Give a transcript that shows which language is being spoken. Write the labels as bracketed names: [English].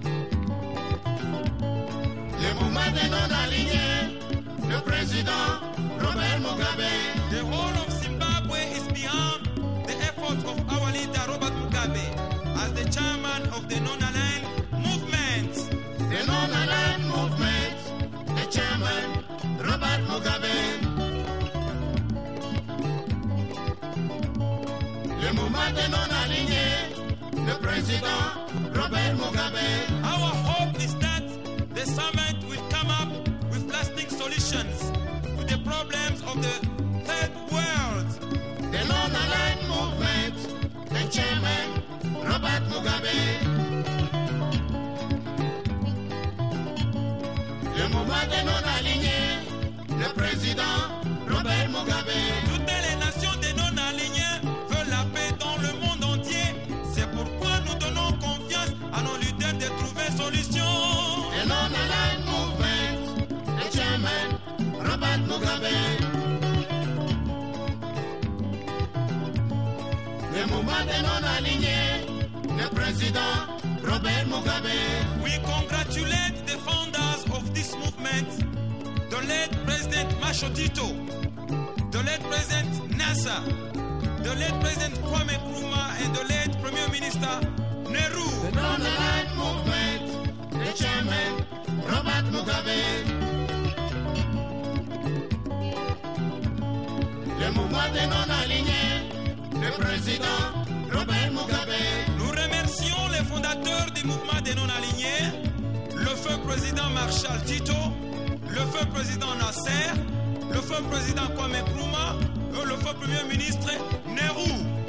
[French] Le mouvement des non-alignés, le président Robert Mugabe. [English] The whole of Zimbabwe is behind the efforts of our leader Robert Mugabe as the chairman of the non-aligned movement. The non-aligned movement, the chairman Robert Mugabe. [French] Le mouvement des non-alignés, le président Robert Mugabe. [English] Our hope is that the summit will come up with lasting solutions to the problems of the third world. The Non-Aligned Movement, the chairman Robert Mugabe. [French] Le mouvement des non-alignés, le président Robert Mugabe. Toutes les nations des non-alignés veulent la paix dans le monde entier. C'est pourquoi nous donnons confiance à nos leaders de trouver solution. [English] The Non-Aligned Movement, le chairman Robert Mugabe. [French] Le mouvement des non-alignés, le président Robert Mugabe. [English] We congratulate the founders of this movement, the late President Masho Tito, the late President Nasser, the late President Kwame Nkrumah, and the late Premier Minister Nehru. The Non-Aligned Movement, the chairman, Robert Mugabe. [French] Le mouvement des non-alignés, le président, Robert Mugabe. Nous remercions les fondateurs du mouvement des non-alignés, le feu président Marshall Tito, le feu président Nasser, le feu président Kwame Nkrumah, le feu premier ministre Nehru.